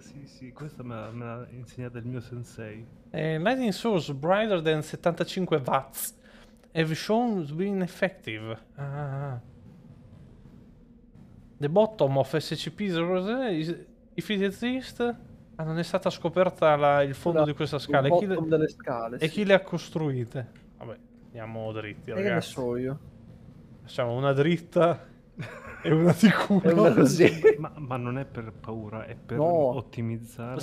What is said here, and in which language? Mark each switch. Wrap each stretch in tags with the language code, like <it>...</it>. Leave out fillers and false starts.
<it>Sì, questa me l'ha insegnata il mio sensei.</it> <en>Lighting source brighter than 75 watts have shown to be ineffective. The bottom of SCP-0 is if it exists,</en> <it>Ah, non è stata scoperta la, il fondo la, di questa scala. Il bottom delle scale. E sì, chi le ha costruite? Vabbè, andiamo dritti, ragazzi. E che ne so io? Facciamo una dritta e una di culo. Una così. Ma non è per paura, è per ottimizzare.</it>